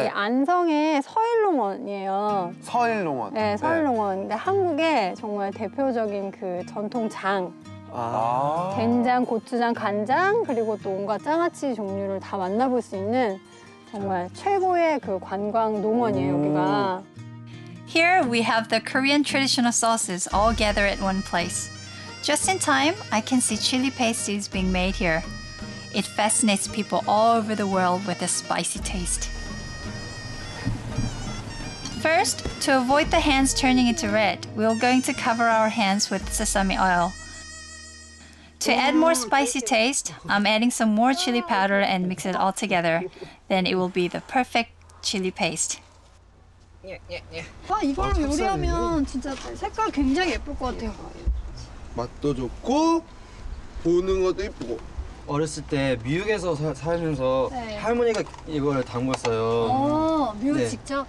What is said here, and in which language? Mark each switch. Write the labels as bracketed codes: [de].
[ko] 우리 안성의 서일농원이에요. 서일농원. 네, 서일농원. 근데 한국의 정말 대표적인 그 전통장. 아. 된장, 고추장, 간장, 그리고 또 온갖 장아찌 종류를 다 만나볼 수 있는 정말 최고의 그 관광 농원이에요, 여기가. [en] Here we have the Korean traditional sauces all gathered at one place. Just in time, I can see chili paste is being made here. It fascinates people all over the world with a spicy taste. First, to avoid the hands turning into red, we are going to cover our hands with sesame oil. To add more spicy taste, I'm adding some more chili powder and mix it all together. Then it will be the perfect chili paste. [ko] 예예예. 아, 이거랑 요리하면 진짜 색깔 굉장히 예쁠 것 같아요. 맛도 좋고 보는 것도 예쁘고. 어렸을 때 미국에서 살면서 네. 할머니가 이거를 담궜어요. 오, 미국 네. 직접?